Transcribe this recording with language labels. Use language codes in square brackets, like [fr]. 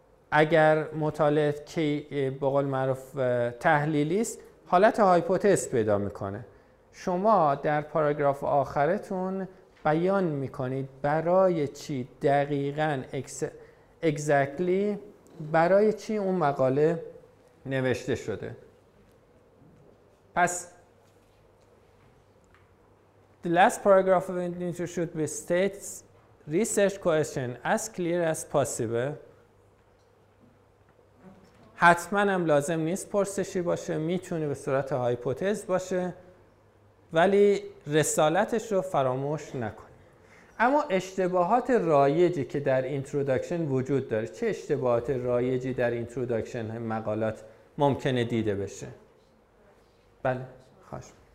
[fa] اگر مطالعه که به قول معروف تحلیلی است، حالت هایپوتز پیدا میکنه. شما در پاراگراف آخرتون بیان میکنید برای چی دقیقاً exactly برای چی اون مقاله نوشته شده. [en] پس the last paragraph of the interview should be states research question as clear as possible. [fa] حتما هم لازم نیست پرسشی باشه، میتونه به صورت هایپوتز باشه، ولی رسالتش رو فراموش نکنید. اما اشتباهات رایجی که در اینترودکشن وجود داره، چه اشتباهات رایجی در اینترودکشن مقالات ممکنه دیده بشه؟ بله، خواهش.